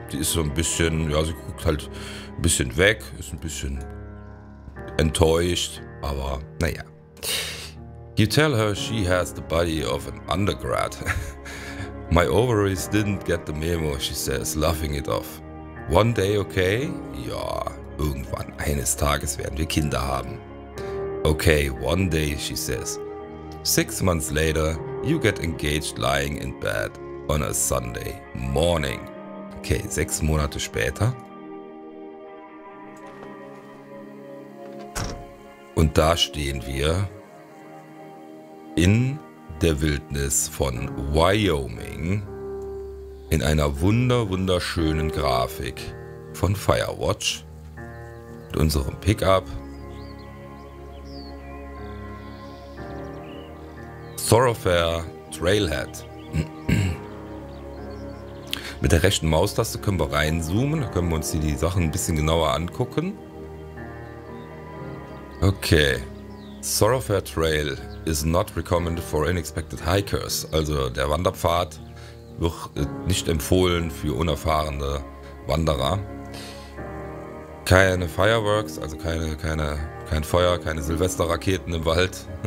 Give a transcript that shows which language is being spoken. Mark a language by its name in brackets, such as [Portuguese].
[German] Die ist so ein bisschen, ja, sie guckt halt ein bisschen weg, ist ein bisschen enttäuscht, aber naja. [English] You tell her she has the body of an undergrad. My ovaries didn't get the memo, she says, laughing it off. One day, okay? [German] Ja, irgendwann, eines Tages werden wir Kinder haben. [English] Okay, one day, she says. 6 months later, you get engaged lying in bed on a Sunday morning. [German] Okay, 6 Monate später. Und da stehen wir in der Wildnis von Wyoming in einer wunderschönen Grafik von Firewatch mit unserem Pickup. [English] Thoroughfare Trailhead. [German] Mit der rechten Maustaste können wir reinzoomen, da können wir uns die Sachen ein bisschen genauer angucken. Okay. [English] Thoroughfare Trail is not recommended for unexpected hikers. [German] Also der Wanderpfad wird nicht empfohlen für unerfahrene Wanderer. Keine Fireworks, also kein Feuer, keine Silvesterraketen im Wald.